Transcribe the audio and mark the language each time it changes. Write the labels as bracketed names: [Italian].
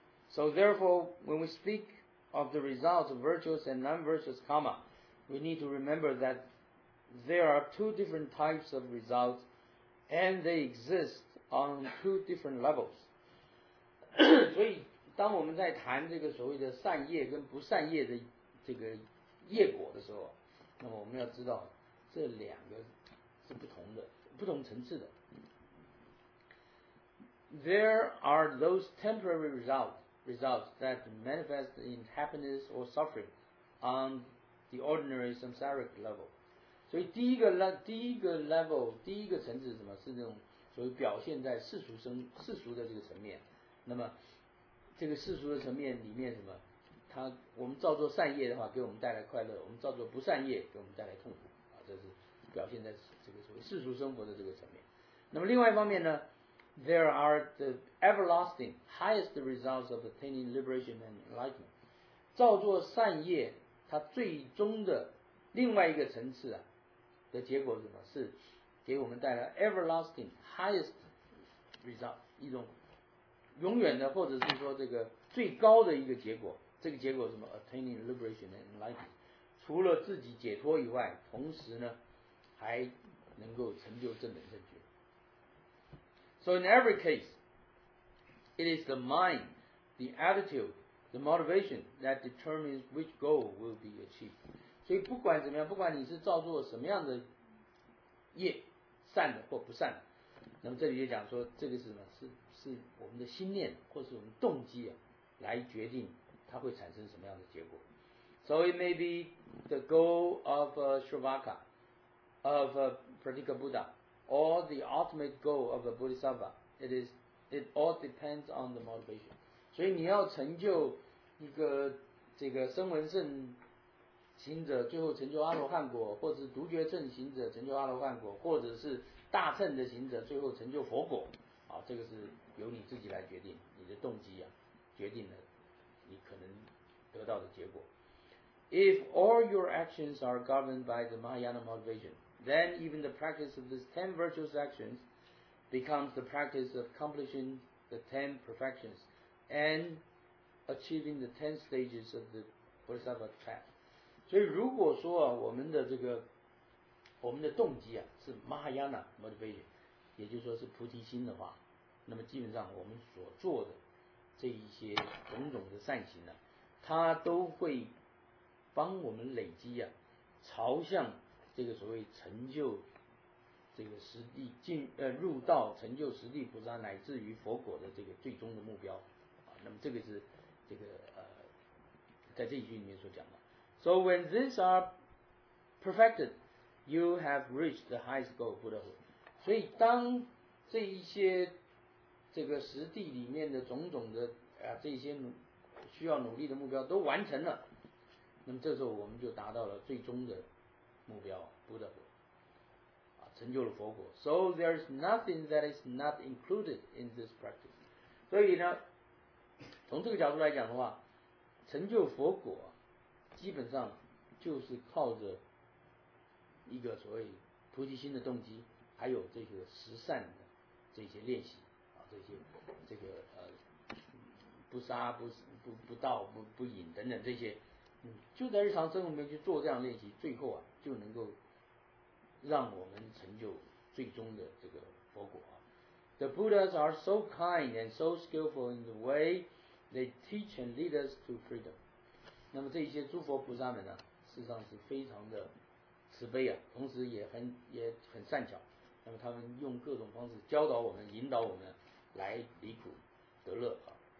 [English] So therefore when we speak of the results of virtuous and non-virtuous karma, we need to remember thatThere are two different types of results, and they exist on two different levels. [Chinese] 所以当我们在谈这个所谓的善业跟不善业的这个业果的时候，那么我们要知道这两个是不同的，不同层次的。 [English] There are those temporary results that manifest in happiness or suffering on the ordinary samsaric level. [Chinese] 所以第一个 level 第一个层次是什么，是那种所谓表现在世俗的这个层面。那么这个世俗的层面里面什么，他我们照做善业的话给我们带来快乐，我们照做不善业给我们带来痛苦啊，这是表现在这个所谓世俗生活的这个层面。那么另外一方面呢， [English] There are the everlasting highest results of attaining liberation and enlightenment. [Chinese] 照做善业它最终的另外一个层次啊的结果是什么，是给我们带来 [English] everlasting highest result， [Chinese] 一种永远的或者是说这个最高的一个结果。这个结果是什么？ [English] Attaining liberation and enlightenment， [Chinese] 除了自己解脱以外，同时呢还能够成就正等正觉。 [English] So in every case it is the mind, the attitude, the motivation that determines which goal will be achieved。 [Chinese] 所以不管怎么样，不管你是造作什么样的业，善的或不善的，那么这里就讲说这个是什么， 是我们的心念或是我们动机啊，来决定它会产生什么样的结果。 [English] So it may be the goal of a Shravaka of a Pratika Buddha or the ultimate goal of a Bodhisattva. It all depends on the motivation. [Chinese] 所以你要成就一个这个声闻圣行者最后成就阿罗汉果，或者是独觉乘行者成就阿罗汉果，或者是大乘的行者最后成就佛果啊，这个是由你自己来决定，你的动机啊决定了你可能得到的结果。 [English] If all your actions are governed by the Mahayana motivation, then even the practice of these 10 virtuous actions becomes the practice of accomplishing the 10 perfections and achieving the 10 stages of the Bodhisattva path. [Chinese] 所以如果说啊，我们的这个我们的动机啊是 [English] Mahayana motivation， [Chinese] 也就是说是菩提心的话，那么基本上我们所做的这一些种种的善行呢、啊，它都会帮我们累积啊，朝向这个所谓成就这个实地进入道成就实地菩萨乃至于佛果的这个最终的目标啊。那么这个是这个在这一句里面所讲的。 [English] So when these are perfected. You have reached the highest goal, Buddha. [Chinese] 所以当这一些这个实地里面的种种的啊这些需要努力的目标都完成了，那么这时候我们就达到了最终的目标 Buddha， 啊成就了佛果。 [English] So there is nothing that is not included in this practice. [Chinese] 所以呢，从这个角度来讲的话，成就佛果基本上就是靠着一个所谓菩提心的动机，还有这个实善的这些练习啊，这些这个不杀不盗不饮等等这些，就在日常生活里面去做这样练习，最后啊就能够让我们成就最终的这个佛果啊。 [English] The Buddhas are so kind and so skillful in the way they teach and lead us to freedom. [Chinese] 那么这些诸佛菩萨们呢、啊，事实上是非常的慈悲啊，同时也很善巧，那么他们用各种方式教导我们引导我们来离苦得乐啊。